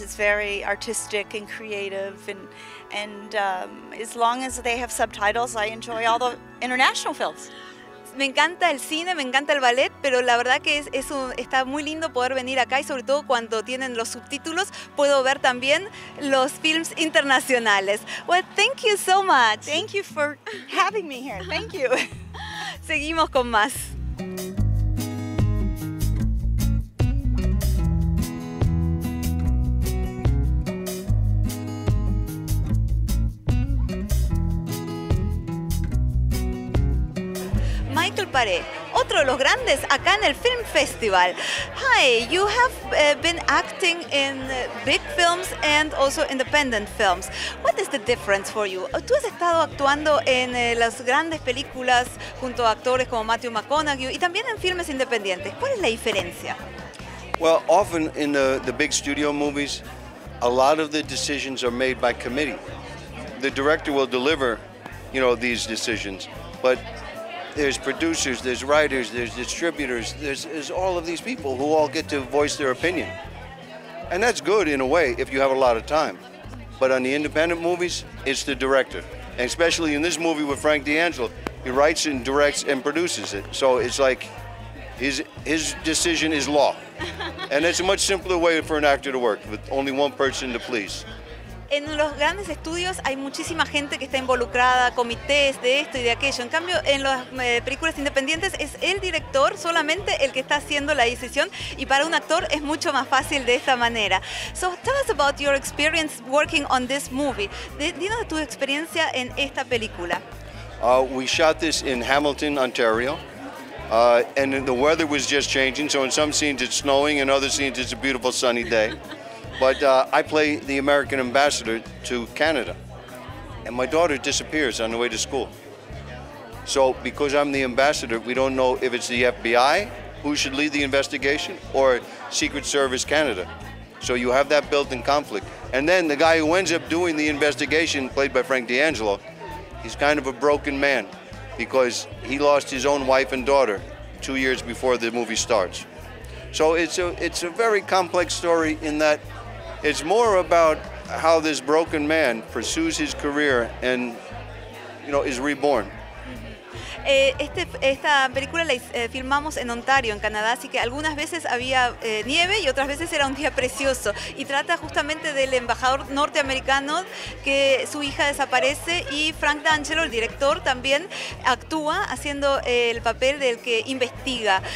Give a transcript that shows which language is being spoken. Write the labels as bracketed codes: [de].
[en] It's very artistic and creative, and as long as they have subtitles, I enjoy all the international films. [es] Me encanta el cine, me encanta el ballet, pero la verdad que está muy lindo poder venir acá y sobre todo cuando tienen los subtítulos, puedo ver también los films internacionales. [en] Well, thank you so much. Thank you for having me here. Thank you. [es] Seguimos con más. Michael Paré, otro de los grandes acá en el Film Festival. [en] Hi, you have been acting in big films and also independent films. What is the difference for you? [es] Tú has estado actuando en las grandes películas junto a actores como Matthew McConaughey y también en filmes independientes. ¿Cuál es la diferencia? [en] Well, often in the big studio movies, a lot of the decisions are made by committee. The director will deliver, you know, these decisions, but there's producers, there's writers, there's distributors, there's all of these people who all get to voice their opinion. And that's good in a way if you have a lot of time. But on the independent movies, it's the director. And especially in this movie with Frank D'Angelo, he writes and directs and produces it. So it's like his decision is law. And it's a much simpler way for an actor to work with only one person to please. [es] En los grandes estudios hay muchísima gente que está involucrada, comités de esto y de aquello. En cambio, en las películas independientes es el director solamente el que está haciendo la decisión y para un actor es mucho más fácil de esta manera. [en] So, tell us about your experience working on this movie. [es] Dinos tu experiencia en esta película. [en] We shot this in Hamilton, Ontario. And the weather was just changing, so in some scenes it's snowing and other scenes it's a beautiful sunny day. But I play the American ambassador to Canada. And my daughter disappears on the way to school. So because I'm the ambassador, we don't know if it's the FBI who should lead the investigation or Secret Service Canada. So you have that built-in conflict. And then the guy who ends up doing the investigation, played by Frank D'Angelo, he's kind of a broken man because he lost his own wife and daughter 2 years before the movie starts. So it's a very complex story in that it's more about how this broken man pursues his career and, you know, is reborn. [es] Esta película la filmamos en Ontario, en Canadá, así que algunas veces había nieve y otras veces era un día precioso. Y trata justamente del embajador norteamericano que su hija desaparece y Frank D'Angelo, el director, también actúa haciendo el papel del que investiga.